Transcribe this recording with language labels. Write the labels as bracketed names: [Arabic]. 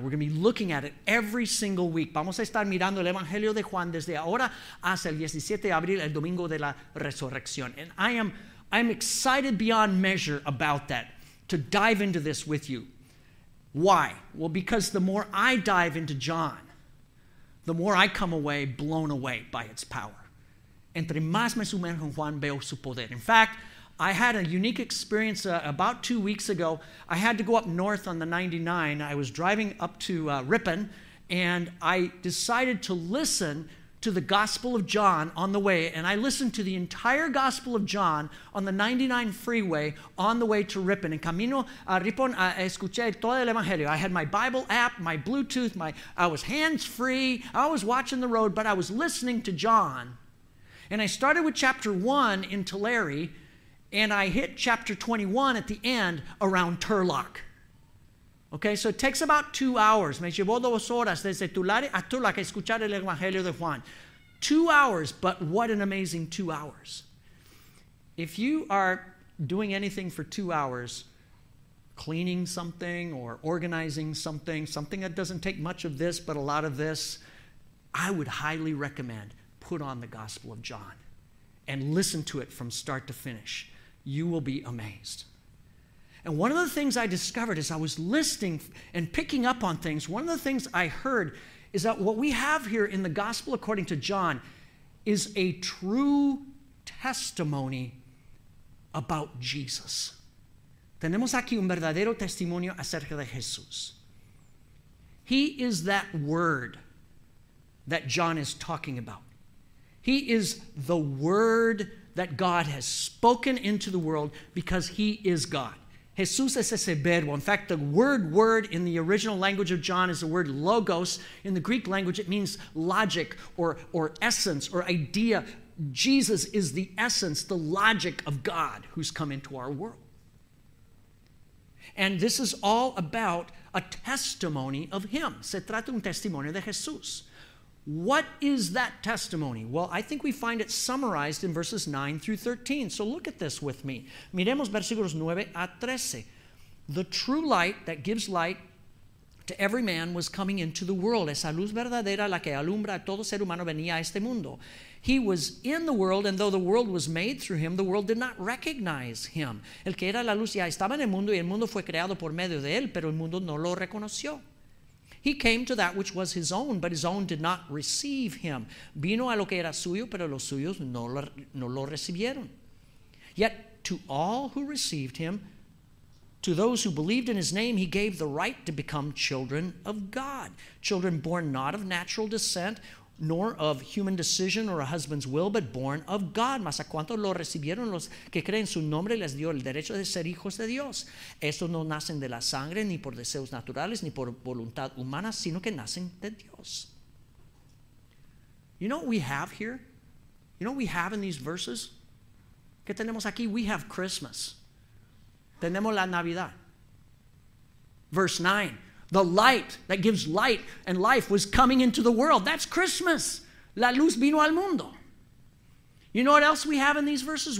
[English] We're going to be looking at it every single week. [Spanish] Vamos a estar mirando el Evangelio de Juan desde ahora hasta el 17 de abril, el Domingo de la Resurrección. [English] And I'm excited beyond measure about that, to dive into this with you. Why? Well, because the more I dive into John, the more I come away blown away by its power. [Spanish] Entre más me sumerjo en Juan, veo su poder. [English] In fact, I had a unique experience about 2 weeks ago. I had to go up north on the 99. I was driving up to Ripon, and I decided to listen to the Gospel of John on the way, and I listened to the entire Gospel of John on the 99 freeway on the way to Ripon. [Spanish] En camino a Ripon, escuché todo el Evangelio. [English] I had my Bible app, my Bluetooth, I was hands-free. I was watching the road, but I was listening to John. And I started with chapter 1 in Tulare, and I hit chapter 21 at the end around Turlock. Okay, so it takes about 2 hours. [Spanish] Me llevó 2 horas desde Tulare a Turlock a escuchar el Evangelio de Juan. [English] 2 hours, but what an amazing 2 hours. If you are doing anything for 2 hours, cleaning something or organizing something, something that doesn't take much of this but a lot of this, I would highly recommend put on the Gospel of John and listen to it from start to finish. You will be amazed. And one of the things I discovered as I was listening and picking up on things, one of the things I heard is that what we have here in the Gospel according to John is a true testimony about Jesus. [Spanish] Tenemos aquí un verdadero testimonio acerca de Jesús. [English] He is that word that John is talking about. He is the word that God has spoken into the world because he is God. [Spanish] Jesús es ese verbo. [English] In fact, the word in the original language of John is the word logos. In the Greek language, it means logic or essence or idea. Jesus is the essence, the logic of God who's come into our world. And this is all about a testimony of him. [Spanish] Se trata un testimonio de Jesús. [English] What is that testimony? Well, I think we find it summarized in verses 9 through 13. So look at this with me. [Spanish] Miremos versículos 9 a 13. [English] The true light that gives light to every man was coming into the world. [Spanish] Esa luz verdadera la que alumbra a todo ser humano venía a este mundo. [English] He was in the world, and though the world was made through him, the world did not recognize him. [Spanish] El que era la luz ya estaba en el mundo, y el mundo fue creado por medio de él, pero el mundo no lo reconoció. [English] He came to that which was his own, but his own did not receive him. [Spanish] Vino a lo que era suyo, pero los suyos no lo recibieron. [English] Yet to all who received him, to those who believed in his name, he gave the right to become children of God. Children born not of natural descent, nor of human decision or a husband's will, but born of God. [Spanish] Mas a cuantos lo recibieron los que creen su nombre les dio el derecho de ser hijos de Dios. Estos no nacen de la sangre, ni por deseos naturales, ni por voluntad humana, sino que nacen de Dios. [English] You know what we have here? You know what we have in these verses? [Spanish] ¿Qué tenemos aquí? [English] We have Christmas. [Spanish] Tenemos la Navidad. [English] Verse 9. The light that gives light and life was coming into the world. That's Christmas. [Spanish] La luz vino al mundo. [English] You know what else we have in these verses?